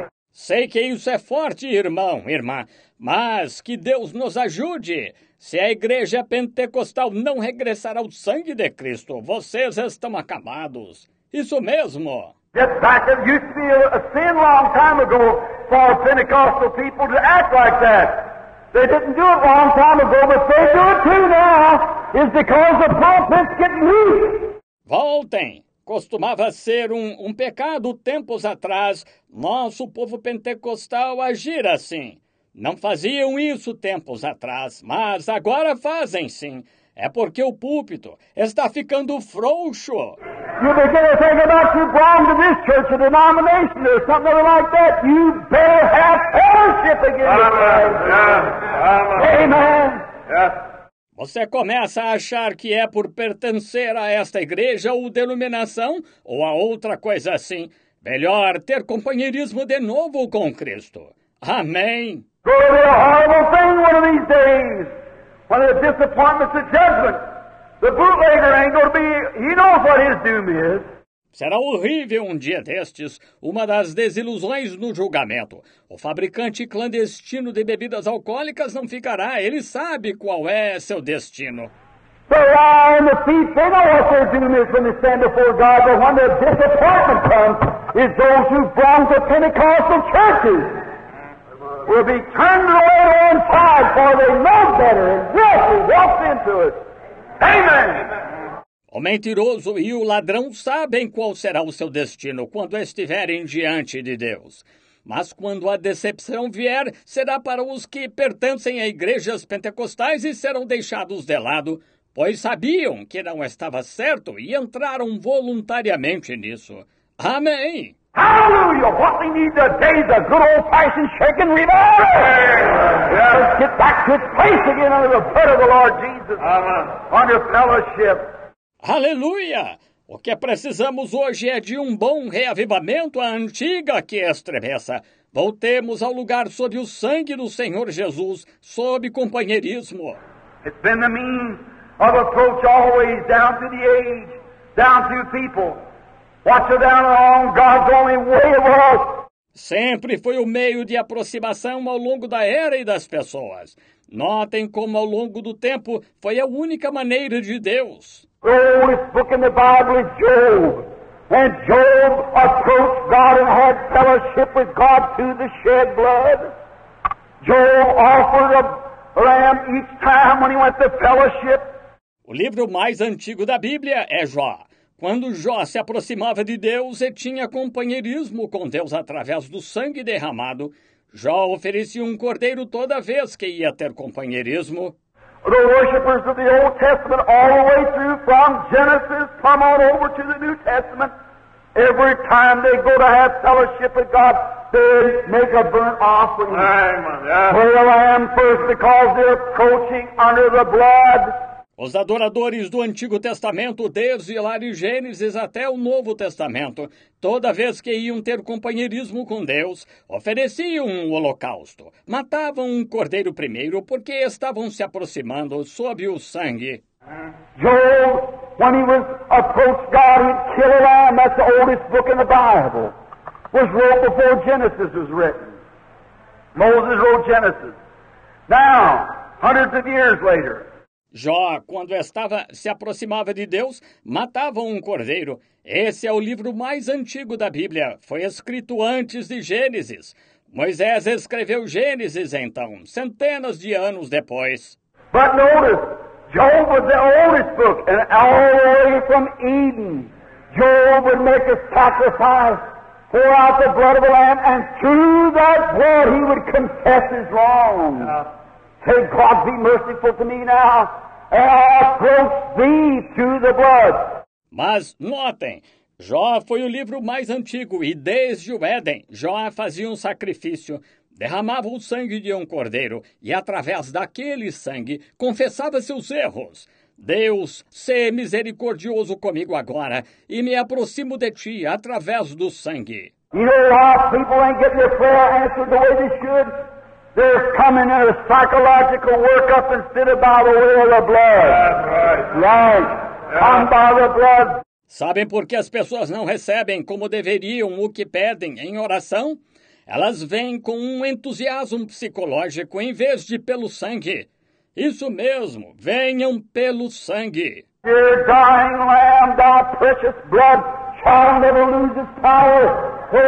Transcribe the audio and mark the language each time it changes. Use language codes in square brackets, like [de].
[pt] Sei que isso é forte, irmão, irmã, mas que Deus nos ajude. Se a igreja pentecostal não regressar ao sangue de Cristo, vocês estão acabados. Isso mesmo. [en] Get back. It used to be a sin long time ago for Pentecostal people to act like that. They didn't do it long time ago, but they do it too now. It's because the pulpit's getting weak. [pt] Voltem. Costumava ser um pecado tempos atrás nosso povo pentecostal agir assim. Não faziam isso tempos atrás, mas agora fazem sim. É porque o púlpito está ficando frouxo. [en] You begin to think about you going to this church, a denomination or something like that. You better have fellowship again. Amen. Yeah. Amen. Yeah. [pt] Você começa a achar que é por pertencer a esta igreja ou denominação ou a outra coisa assim. Melhor ter companheirismo de novo com Cristo. Amém. [en] Glory to a horrible thing one of these days. One of the disappointments of judgment. The bootlegger ain't gonna be, he knows what his doom is. [pt] Será horrível um dia destes, uma das desilusões no julgamento. O fabricante clandestino de bebidas alcoólicas não ficará, ele sabe qual é seu destino. [en] The liar and the thief, they know what their doom is when they stand before God, but when the disappointment comes, is those who belong to Pentecostal churches will be turned away to one side, for they know better, and yes, he walks into it. Amen! [pt] O mentiroso e o ladrão sabem qual será o seu destino quando estiverem diante de Deus. Mas quando a decepção vier, será para os que pertencem a igrejas pentecostais e serão deixados de lado, pois sabiam que não estava certo e entraram voluntariamente nisso. Amém! [en] Hallelujah! What we need today is a good old-fashioned shaking revival! Let's get back to its place again under the blood of the Lord Jesus. Amen. Under fellowship. [pt] Aleluia! O que precisamos hoje é de um bom reavivamento à antiga que estremeça. Voltemos ao lugar sob o sangue do Senhor Jesus, sob companheirismo. [en] It's been the means of approach always down through the age, down through people. Watch it down along God's only way of us. [pt] Sempre foi o meio de aproximação ao longo da era e das pessoas. Notem como ao longo do tempo foi a única maneira de Deus. [en] The oldest book in the Bible is Job. And Job approached God and had fellowship with God through the shed blood. Job offered a lamb each time when he went to fellowship. [pt] O livro mais antigo da Bíblia é Jó. Quando Jó se aproximava de Deus e tinha companheirismo com Deus através do sangue derramado, Jó oferecia um cordeiro toda vez que ia ter companheirismo. [en] The worshippers of the Old Testament, all the way through from Genesis, come on over to the New Testament. Every time they go to have fellowship with God, they make a burnt offering. Amen. For the lamb first, because they're approaching under the blood. [pt] Os adoradores do Antigo Testamento, desde lá de Gênesis até o Novo Testamento, toda vez que iam ter companheirismo com Deus, ofereciam um holocausto. Matavam um cordeiro primeiro porque estavam se aproximando sob o sangue. [en] Job, when he was approached God, he'd kill a lamb. That's the oldest book in the Bible. Was wrote before Genesis was written. Moses wrote Genesis. Now, hundreds of years later, [pt] Jó, quando estava, se aproximava de Deus, matava um cordeiro. Esse é o livro mais antigo da Bíblia. Foi escrito antes de Gênesis. Moisés escreveu Gênesis, então, centenas de anos depois. [en] But notice, Job was the oldest book, and all the way from Eden, Job would make a sacrifice, pour out the blood of the lamb, and through that blood he would confess his wrong. Say, God be merciful to me now, and I approach thee to the blood. [pt] Mas notem, Jó foi o livro mais antigo, e desde o Éden, Jó fazia um sacrifício, derramava o sangue de um cordeiro, e através daquele sangue, confessava seus erros. Deus, sê misericordioso comigo agora, e me aproximo de ti através do sangue. [en] You know why people ain't getting their prayer answered the way they should? They're coming in a psychological workup instead of by the will of the blood. Right. Come by the blood. [pt] Sabem por que as pessoas não recebem como deveriam o que pedem em oração? Elas vêm com um entusiasmo psicológico em vez de pelo sangue. Isso mesmo, venham pelo sangue. [en] Your dying lamb, thy precious blood, shall never lose its power.